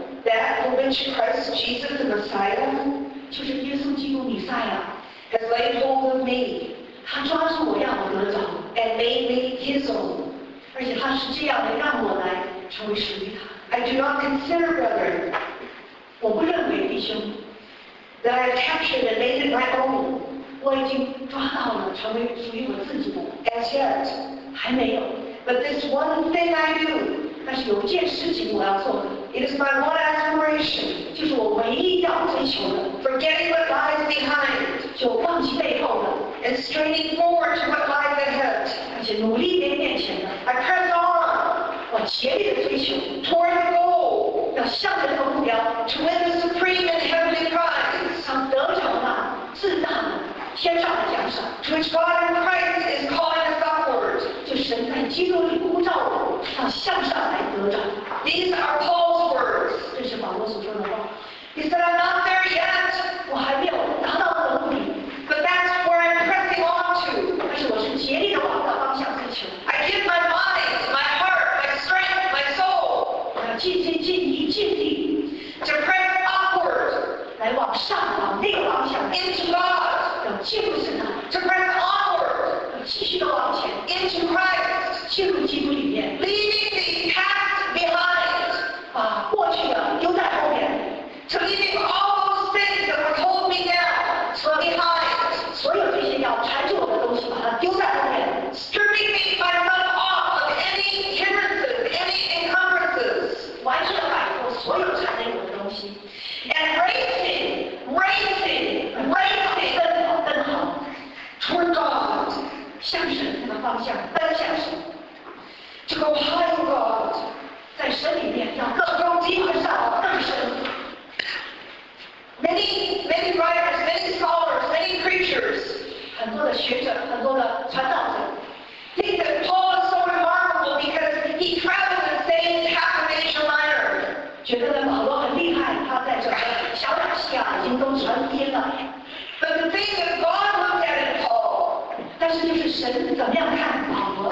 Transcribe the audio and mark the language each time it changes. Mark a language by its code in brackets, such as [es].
[en] that for which Christ Jesus the Messiah, [zh] 就是耶稣基督弥赛亚, [en] has laid hold of me, [zh] 他抓住我要我得着, [en] and made me his own. [zh] 而且他是这样的让我来成为属于他。 [en] I do not consider, brethren, [zh] 我不认为弟兄, [en] that I have captured and made it my own, [zh] 我已经抓到了成为属于我自己的, [en] as yet, [zh] 还没有, [en] but this one thing I do, [zh] 但是有件事情我要做的, [en] it is my one aspiration, [zh] 就是我唯一要追求的, [en] forgetting what lies behind, [zh] 就忘记背后的, [en] and straining forward to what lies ahead, [zh] 而且努力在面前的, [en] I press on, [zh] 我竭力地追求, [en] toward the goal, [zh] 要向着那个目标, [en] to win the supreme and heavenly prize, [zh] 想得着那, 至大的, 天上的奖赏, [en] to which God in Christ is calling us upward, [zh] 就神在基督里呼召我, 要向上来得着, [en] these are Paul's words, [zh] 这是保罗所说的话, [en] he said, I'm not there yet, [zh] 我还没有达到那个目的, [en] but that's where I'm pressing on to, [zh] 但是我是竭力地往那方向追求, [en] I give my body, my heart, my strength, my soul, [zh] 我要尽心尽意尽力, [en] to press upward, [zh] 来往上, 往那个方向, [en] into God, [zh] 要进入神的, [en] to press onward, [zh] 要继续地往前, [en] into Christ, [zh] 进入基督里面, [en] leaving the past behind, [zh] 把过去的丢在后面, [en] to leaving all those things that were holding me down, so behind, [zh] 所有这些要缠住我的东西把它丢在后面, [en] stripping me by myself off of any hindrances, any encumbrances, [zh] 完全摆脱所有缠着我的东西, [en] and racing, racing, racing, [zh] 奔跑, [en] toward God, [zh] 向神那个方向, 奔向神, [en] to go high in God, [zh] 在神里面要, [en] to go deep yourself, [zh] 更深, [en] many, many writers, many scholars, many preachers, [zh] 很多的学者, 很多的传道者, [en] think that Paul is so remarkable because he traveled the same half of Asia Minor, [zh] 觉得保罗很厉害, 他在这个小亚细亚已经都传遍了, [en] but the thing that God looked at in Paul, [zh] 但是就是神怎么样看保罗,